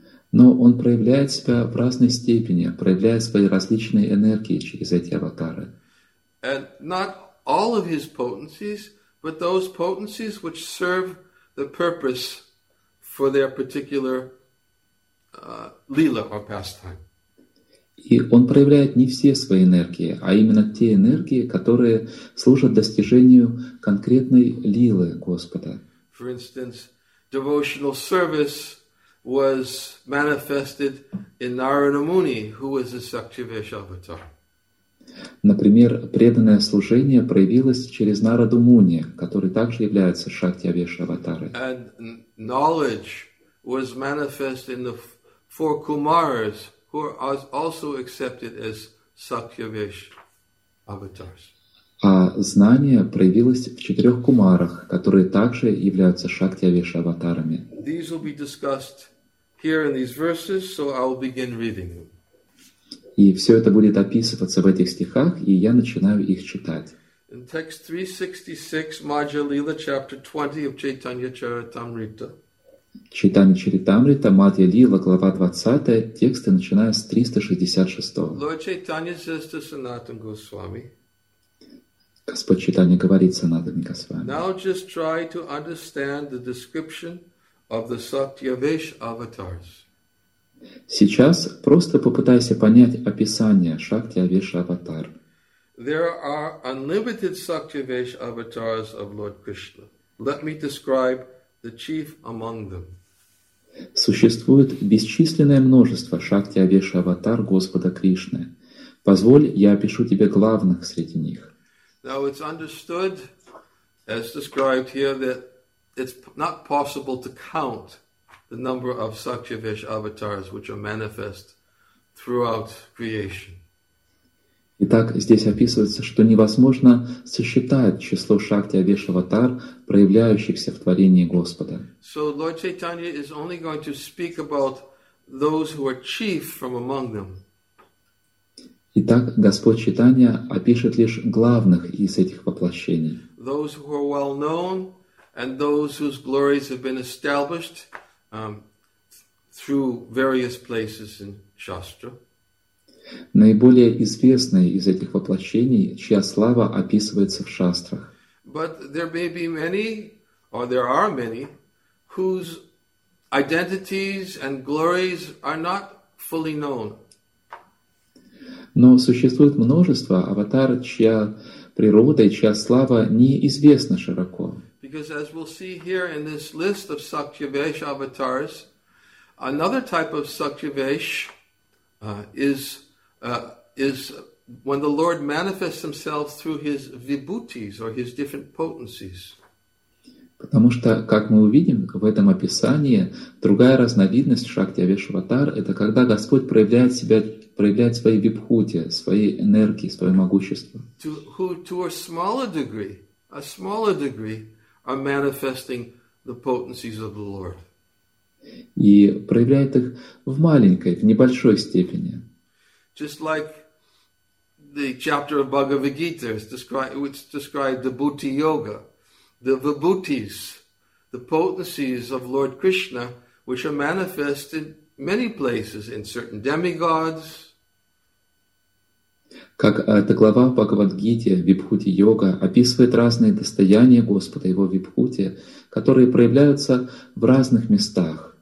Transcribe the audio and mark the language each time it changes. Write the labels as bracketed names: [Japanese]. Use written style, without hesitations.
[Russian] Но он проявляет себя в разной степени, проявляет свои различные энергии через эти аватары. [English] And not all of his potencies, but those potencies which serve the purpose for their particular lila or pastime. [Russian] И он проявляет не все свои энергии, а именно те энергии, которые служат достижению конкретной лилы Господа. [English] For instance, devotional service was manifested in Narada Muni, who was a Satyavesh avatar. [Russian] Например, преданное служение проявилось через Нараду Муни, который также является Шактиавеш аватарой. [English] And knowledge was manifest in the four Kumaras, who are also accepted as Satyavesh avatars. [Russian] А знание проявилось в четырех кумарах, которые также являются Шакти Авеша аватарами. [English] These will be discussed here in these verses, so I'll begin reading them. [Russian] И все это будет описываться в этих стихах, и я начинаю их читать. [English] In text 366, Madhya Lila, chapter 20 of Chaitanya Charitamrita. [Russian] Читание Чаритамрита, Мадья Лила, глава 20, тексты начиная с 366. [English] Lord Chaitanya says to Sanatan Goswami. [Russian] Господь Чайтанья говорит Санатане Госвами. [English] Now just try to understand the description of the Satyavesh avatars. [Russian] Сейчас просто попытайся понять описание Шакти Авеша аватар. [English] There are unlimited Satyavesh avatars of Lord Krishna. Let me describe the chief among them. [Russian] Существует бесчисленное множество Шакти Авеша аватар Господа Кришны. Позволь, я опишу тебе главных среди них. [English] Now it's understood, as described here, that it's not possible to count the number of Satyavesh avatars which are manifest throughout creation. [Russian] Итак, здесь описывается, что невозможно сосчитать число Шакти Авеш аватар, проявляющихся в творении Господа. [English] So Lord Chaitanya is only going to speak about those who are chief from among them. [Russian] Итак, Господь Чайтанья опишет лишь главных из этих воплощений. [English] Those who are well known and those whose glories have been established through various places in Shastra. [Russian] Наиболее известные из этих воплощений, чья слава описывается в шастрах. [English] But there may be many, or there are many, whose identities and glories are not fully known. [Russian] Но существует множество аватар, чья природа и чья слава неизвестна широко. [English] Because as we'll see here in this list of Satyavesh avatars, another type of Satyavesh is when the Lord manifests himself through his vibhutis or his different potencies. [Russian] Потому что, как мы увидим в этом описании, другая разновидность Шакти Авеш аватар — это когда Господь проявляет себя, проявляет свои вибхути, свои энергии, свое могущество. [English] To a smaller degree are manifesting the potencies of the Lord. [Russian] И проявляет их в маленькой, в небольшой степени. [English] Just like the chapter of Bhagavad Gita, which described the bhuti yoga. The vibhutis, the potencies of Lord Krishna, which are manifest in many places, in certain demigods. [Russian] Как эта глава Бхагавад-гите, вибхути-йога, описывает разные достояния Господа, его вибхути, которые проявляются в разных местах.